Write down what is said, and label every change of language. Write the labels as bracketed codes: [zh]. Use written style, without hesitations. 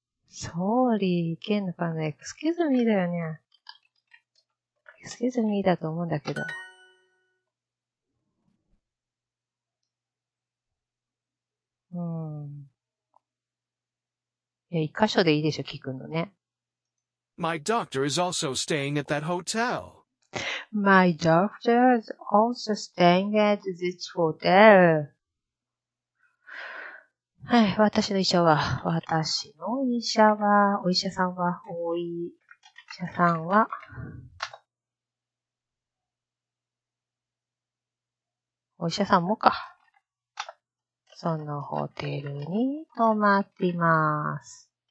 [ja] ソーリー、いけんのかな ? [en] excuse me [ja] だよね。 [en] excuse me [ja] だと思うんだけど。いや、一箇所でいいでしょ、聞くのね。 [en] My doctor is also staying at that hotel. My doctor is also staying at this hotel. [ja] はい、私の医者は、私の医者は、お医者さんは、お医者さんは、お医者さんもか。そのホテルに泊まっています。